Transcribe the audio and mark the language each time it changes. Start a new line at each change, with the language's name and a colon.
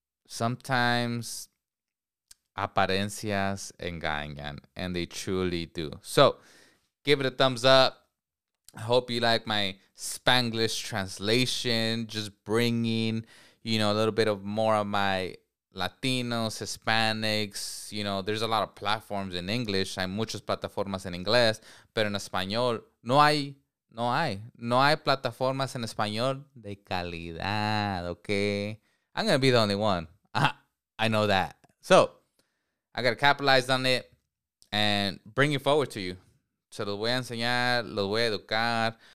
English: sometimes
Spanish: apariencias engañan,
English: and they truly do. So give it a thumbs up. I hope you like my Spanglish translation, just bringing, you know, a little bit of more of my Latinos, Hispanics. You know, there's a lot of platforms in English.
Spanish: Hay muchas plataformas en inglés, pero en español no hay plataformas en español de calidad, okay?
English: I'm going to be the only one. I know that. So, I got to capitalize on it and bring it forward to you.
Spanish: Se los voy a enseñar, los voy a educar.